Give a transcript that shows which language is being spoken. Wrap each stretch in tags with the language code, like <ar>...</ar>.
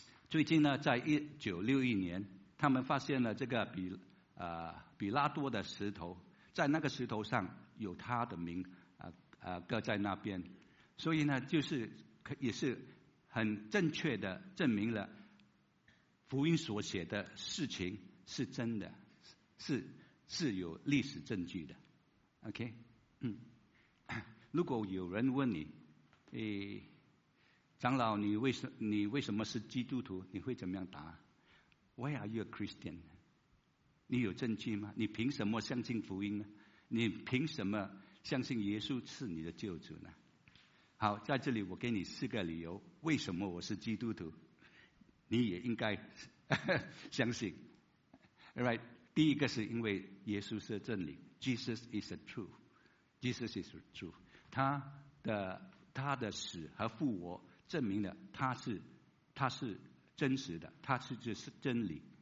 <zh>最近呢，在1961年，他们发现了这个比拉多的石头，在那个石头上有他的名搁在那边，所以呢，就是也是很正确的证明了福音所写的事情是真的，是有历史证据的。 OK， 如果有人问你，长老，你为什么是基督徒？你会怎么样答 ？</zh> <en>Why are you a Christian？</en> <zh>你有证据吗？你凭什么相信福音呢？你凭什么相信耶稣是你的救主呢？好，在这里我给你四个理由，为什么我是基督徒，你也应该相信。 Right， 第一个是因为耶稣是真理 ，</zh> <en>Jesus is the truth， Jesus is the truth，</en> <zh>他的死和复活证明了他是真实的，他是真理。</zh>